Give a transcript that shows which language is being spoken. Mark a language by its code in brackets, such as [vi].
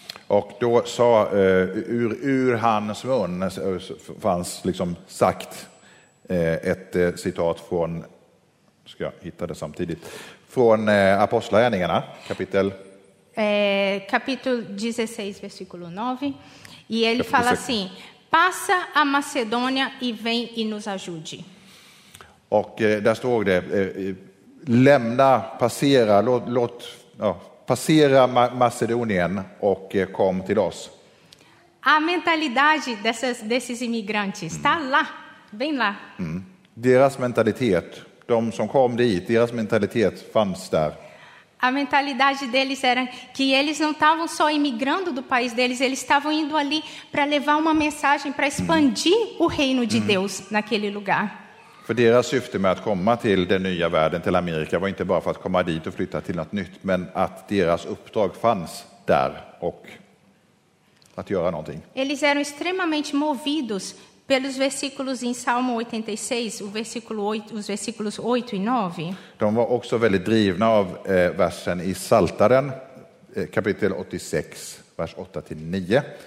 [sv] Och då sa ur hans mun fanns liksom sagt ett citat från, ska jag hitta det samtidigt, från Apostlagärningarna kapitel [pt] kapitel 16 versículo 9 e ele fala assim: passa a Macedônia e vem e nos ajude. [sv] Och där står det lämna, passera, låt ja, passera Macedonien och kom till oss. [pt] A mentalidade desses imigrantes está lá, vem lá. [sv] Deras mentalitet, de som kom dit, deras mentalitet fanns där. [pt] A mentalidade deles era que eles não estavam só emigrando do país deles, eles estavam indo ali para levar uma mensagem, para expandir o reino de Deus naquele lugar. [sv] För deras syfte med att komma till den nya världen, till Amerika, var inte bara för att komma dit och flytta till något nytt, men att deras uppdrag fanns där och att göra någonting. [pt] Eles eram extremamente movidos pelos versículos em Salmo 86, o versículo 8, os versículos 8 e 9. [sv] De var också väldigt drivna av versen i Saltaren, kapitel 86, vers 8-9.